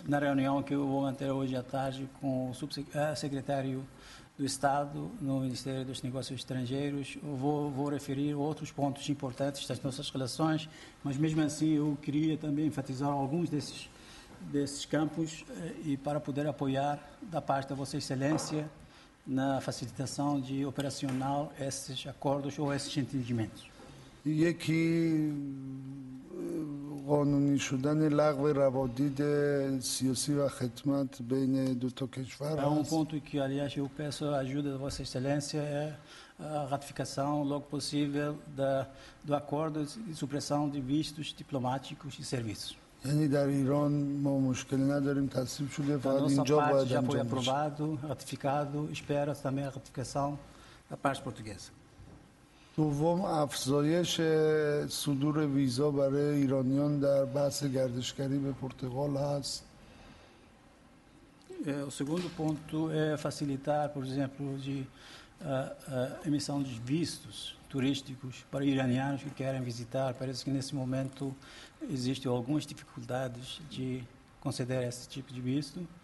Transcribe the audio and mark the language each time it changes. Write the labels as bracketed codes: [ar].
[pt] Na reunião que eu vou manter hoje à tarde com o subsecretário do Estado no Ministério dos Negócios Estrangeiros, vou referir outros pontos importantes das nossas relações, mas mesmo assim eu queria também enfatizar alguns desses campos e para poder apoiar da parte da Vossa Excelência na facilitação de operacional esses acordos ou esses entendimentos. E aqui [fa] قانونی شدن لغو روابط سیاسی و خدمت بین دو تا کشور است. [pt] Um ponto que aliás eu peço a ajuda de Vossa Excelência é a ratificação logo possível do acordo de supressão de vistos diplomáticos e serviços. [fa] یعنی در ایران ما مشکلی نداریم تصویب شده فقط اینجا باید انجام بشه. [pt] Já foi aprovado, ratificado, espera também a ratificação da parte portuguesa. [fa] دوم افزایش صدور ویزا برای ایرانیان در بحث گردشگری به پرتغال هست. [pt] O segundo ponto é facilitar, por exemplo, de emissão de vistos turísticos para iranianos que querem visitar. Parece que nesse momento existem algumas dificuldades de conceder esse tipo de visto.